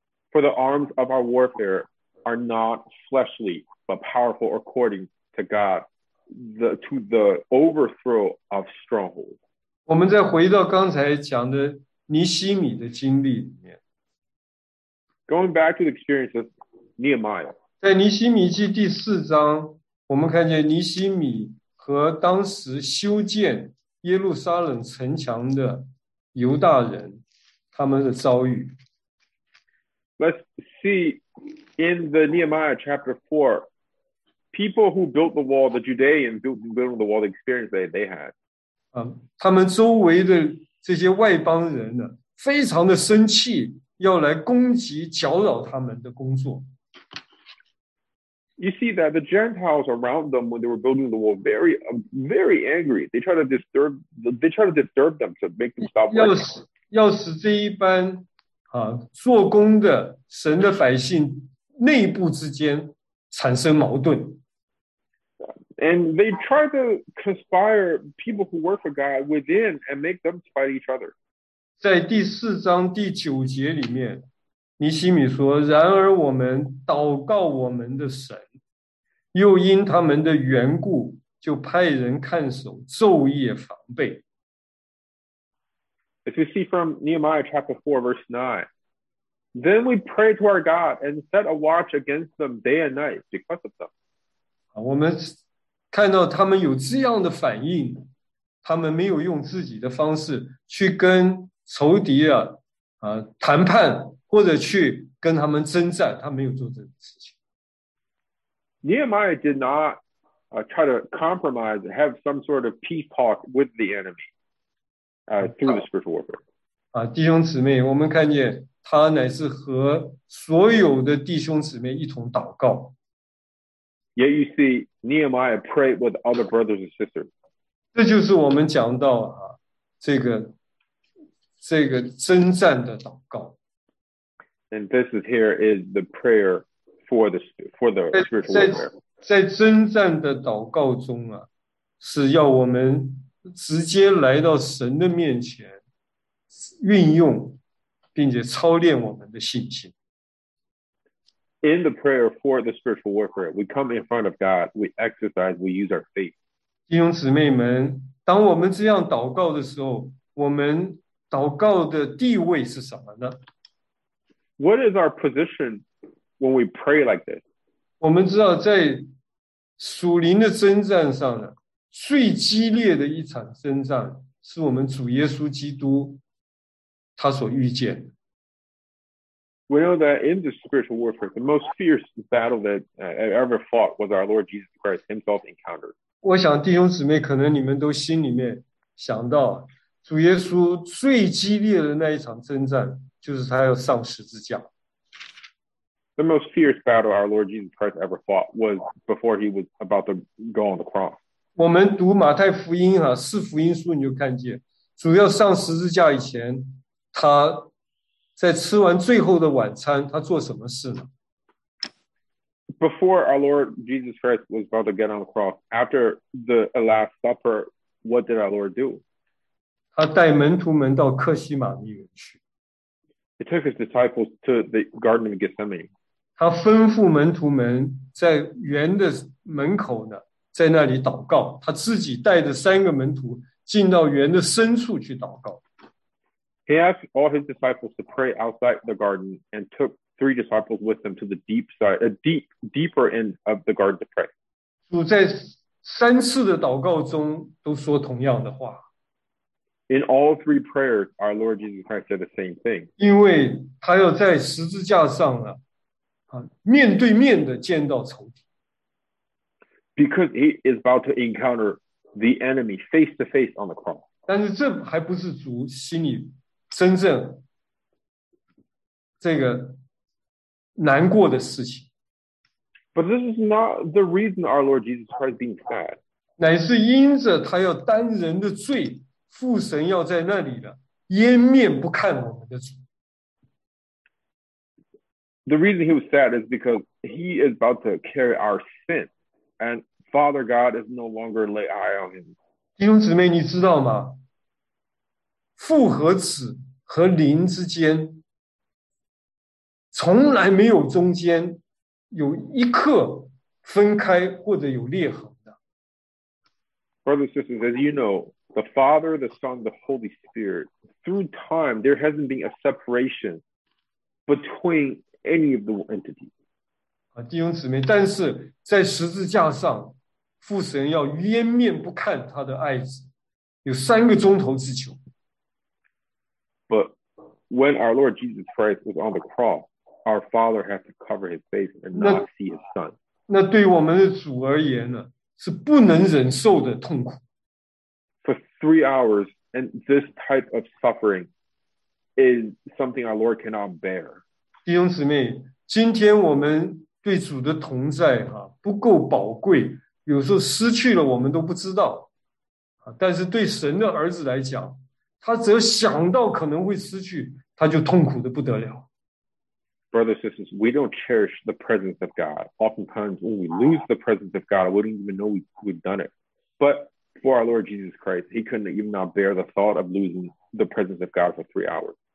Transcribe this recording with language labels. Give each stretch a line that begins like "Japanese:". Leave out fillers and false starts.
English: For the arms of our warfare are not fleshly, but powerful according to God, to the overthrow of strongholds.
Chinese: 我们再回到刚才讲的尼希米的经历里面。
English: Going back to the experience of Nehemiah.
Chinese: 在尼希米记第四章，我们看见尼希米和当时修建耶路撒冷城墙的犹大人他们的遭遇。
English: Let's see in the Nehemiah chapter 4, people who built the wall, the Judeans built the wall, the experience they had.
Chinese: 他们周围的这些外邦人呢，非常的生气，要来攻击、搅扰他们的工作。
English: You see that the Gentiles around them when they were building the wall very, very angry. They try to disturb them to make them stop.
Chinese: 要使这一般啊做工的神的百姓内部之间产生矛盾。
English: And they try to conspire people who work for God within and make them fight each other.
Chinese: 在第四章第九节里面，尼希米说：“然而我们祷告我们的神，又因他们的缘故就派人看守，昼夜防备。
English: If you see from Nehemiah chapter 4, verse 9, then we pray to our God and set a watch against them day and night because of them.
Chinese: 我们看到他们有这样的反应，他们没有用自己的方式去跟仇敌啊，谈判，或者去跟他们征战，他没有做这个事情。
English: Nehemiah did not try to compromise, have some sort of peace talk with the enemy. Through the spiritual warfare.
Chinese: 弟兄姊妹，我们看见他乃是和所有的弟兄姊妹一同祷告。
English: Yet you see Nehemiah prayed with other brothers and sisters.
Chinese: 这就是我们讲到这个征战的祷告。
English: And this is here is the prayer for the spiritual warfare.
Chinese: 在征战的祷告中是要我们直接来到神的面前运用并且操练我们的信心。
English: In the prayer for the spiritual warfare, we come in front of God, we exercise, we use our faith.
Chinese: 弟兄姊妹们，当我们这样祷告的时候，我们祷告的地位是什么呢？
English: What is our position when we pray like this?
Chinese: 我们知道在属灵的征战上呢，最激烈的一场征战是我们主耶稣基督他所遇见的。
English: We know that in the spiritual warfare, the most fierce battle that ever fought was our Lord Jesus Christ himself encountered.
Chinese: 我想弟兄姊妹可能你们都心里面想到主耶稣最激烈的那一场征战就是他要上十字架。
English: The most fierce battle our Lord Jesus Christ ever fought was before he was about to go on the cross.
Chinese: 我们读马太福音四福音书你就看见主要上十字架以前他在吃完最后的晚餐他做什么事呢？
English: Before our Lord Jesus Christ was about to get on the cross, after the last supper, what did our Lord do?
Chinese: 他带门徒们到客西马尼园去。
English: He took his disciples to the Garden of Gethsemane.
Chinese: 他吩咐门徒们在园的门口呢，在那里祷告，他自己带着三个门徒进到园的深处去祷告。
English: He asked all his disciples to pray outside the garden and took three disciples with them to the deeper end of the garden to pray.
Chinese: 主在三次的祷告中都说同样的话。
English: In all three prayers, our Lord Jesus Christ said the same thing.
Chinese: 因为他要在十字架上面对面的见到仇敌。
English: Because he is about to encounter the enemy face to face on the cross.
Chinese: 但是这还不是主心里真正这个难过的事情。
English: But this is not the reason our Lord Jesus Christ being sad.
Chinese: 乃是因着他要担人的罪，父神要在那里的掩面不看我们的主。
English: The reason he was sad is because he is about to carry our sin, and Father God is no longer lay eye on him.
Chinese: 弟兄姊妹，你知道吗？父和子和灵之间从来没有中间有一刻分开或者有裂痕的。
English: Brothers and sisters, as you know, the Father, the Son, the Holy Spirit, through time, there hasn't been a separation between any of the entities.
Chinese: 弟兄姊妹，但是在十字架上，父神要掩面不看他的爱子，有三个钟头之久。
English: But when our Lord Jesus Christ was on the cross, our Father had to cover his face and not see his Son.
Chinese: 那对我们的主而言呢，是不能忍受的痛苦。
English: For 3 hours, and this type of suffering is something our Lord cannot bear.
Chinese: 弟兄姊妹，今天我们对主的同在不够宝贵，有时候失去了我们都不知道。但是对神的儿子来讲，他只要想到可能会失去，他就痛苦的不得了。
English: Brothers and sisters, we don't cherish the presence of God. Oftentimes, when we lose the presence of God, we don't even know we've done it. But for our Lord Jesus Christ, he couldn't even not bear the thought of losing the presence of God for 3 hours.